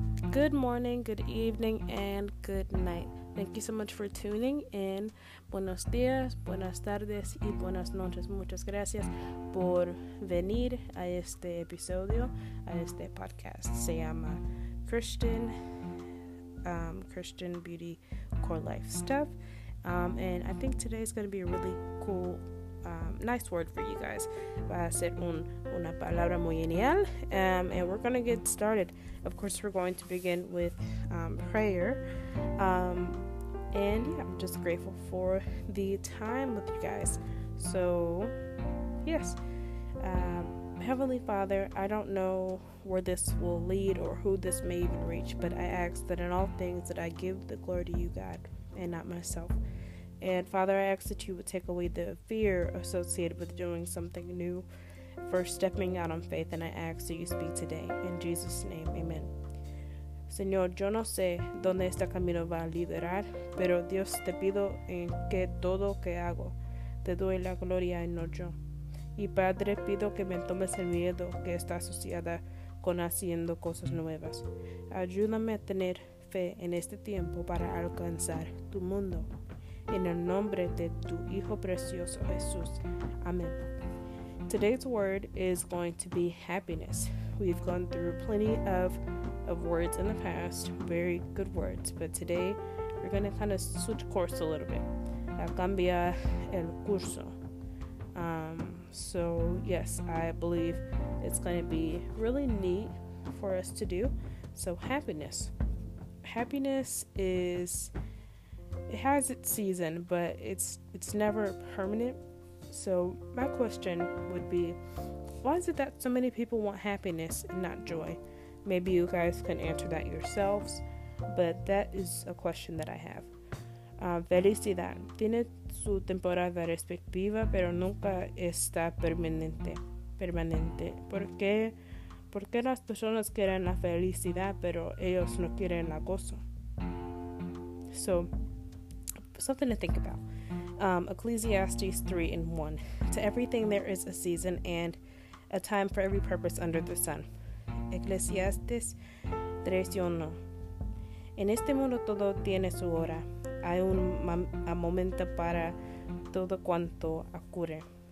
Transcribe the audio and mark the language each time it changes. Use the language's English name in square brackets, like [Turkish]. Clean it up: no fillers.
[English] Good morning, good evening, and good night. Thank you so much for tuning in. [Spanish] Buenos días, buenas tardes, y buenas noches. Muchas gracias por venir a este episodio, a este podcast. Se llama Christian Beauty Core Life Stuff. [English] And I think today is going to be a really cool, nice word for you guys. [Spanish] Va a ser una palabra muy genial. [English] And we're going to get started. Of course, we're going to begin with prayer. And yeah, I'm just grateful for the time with you guys. So, yes. Heavenly Father, I don't know where this will lead or who this may even reach, but I ask that in all things that I give the glory to you, God, and not myself. And Father, I ask that you would take away the fear associated with doing something new, for stepping out on faith, and I ask that you speak today. In Jesus' name, amen. [Spanish] Señor, yo no sé dónde este camino va a liderar, pero Dios, te pido en que todo que hago te doy la gloria y no yo. Y Padre, pido que me tomes el miedo que está asociada con haciendo cosas nuevas. Ayúdame a tener fe en este tiempo para alcanzar tu mundo. [English] In the name of your [Spanish] Hijo precioso [English] Jesus. Amen. Today's word is going to be happiness. We've gone through plenty of words in the past, very good words, but today we're going to kind of switch course a little bit. [Spanish] A cambiar el curso. [English] So yes, I believe it's going to be really neat for us to do. So happiness is, it has its season, but it's never permanent. So my question would be, why is it that so many people want happiness and not joy? Maybe you guys can answer that yourselves, but that is a question that I have. [Spanish] Felicidad tiene su temporada respectiva, pero nunca está permanente. ¿Por qué las personas quieren la felicidad, pero ellos no quieren la gozo? [English] So, something to think about. Ecclesiastes 3:1. To everything there is a season and a time for every purpose under the sun. Ecclesiastes 3:1. [Spanish] En este mundo todo tiene su hora. Hay un momento para todo cuanto ocurre.